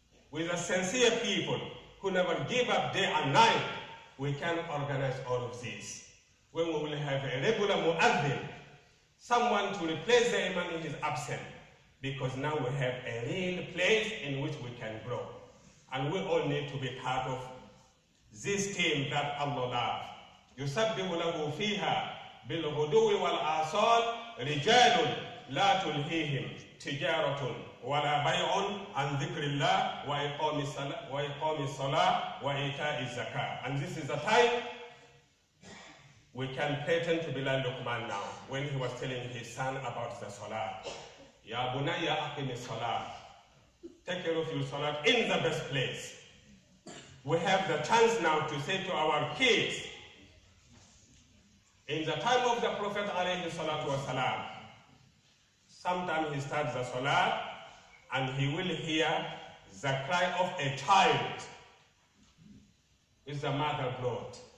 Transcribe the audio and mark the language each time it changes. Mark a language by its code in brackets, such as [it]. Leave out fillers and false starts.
[en] With a sincere people who never give up day and night, we can organize all of this. When we will have a regular mu'adhin, someone to replace the imam in his absence, because now we have a real place in which we can grow. And we all need to be part of this team that Allah loves. [ar] يُسَبِّهُ لَهُ فِيهَا بِالْغُدُوِ وَالْآصَالِ رِجَالٌ لَا تُلْهِيهِمْ تِجَارَةٌ ولا بيع عن ذكر الله وإقام الصلاة وإيتاء الزكاة. [en] And this is the time we can pattern to Bilal Luqman now when he was telling his son about the salah. [ar] Ya bunayya aqim salah. [en] Take care of your salah in the best place. We have the chance now to say to our kids, in the time of the Prophet alayhi salatu wasalam, sometimes he starts the salah and he will hear the cry of a child with the mother blood.